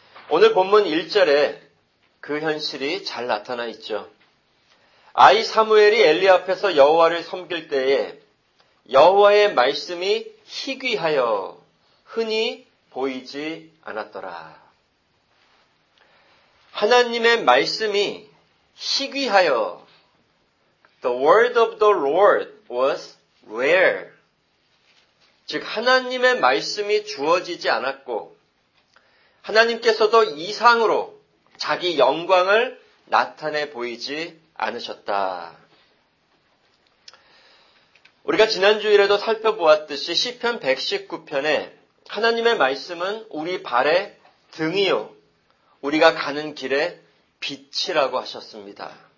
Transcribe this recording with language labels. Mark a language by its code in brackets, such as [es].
[ko] 오늘 본문 1절에 그 현실이 잘 나타나 있죠. 아이 사무엘이 엘리 앞에서 여호와를 섬길 때에 여호와의 말씀이 희귀하여 흔히 보이지 않았더라. 하나님의 말씀이 희귀하여 [en] The word of the Lord was rare. [ko] 즉 하나님의 말씀이 주어지지 않았고 하나님께서도 이상으로 자기 영광을 나타내 보이지 않으셨다. 우리가 지난주일에도 살펴보았듯이 시편 119편에 하나님의 말씀은 우리 발의 등이요 우리가 가는 길의 빛이라고 하셨습니다.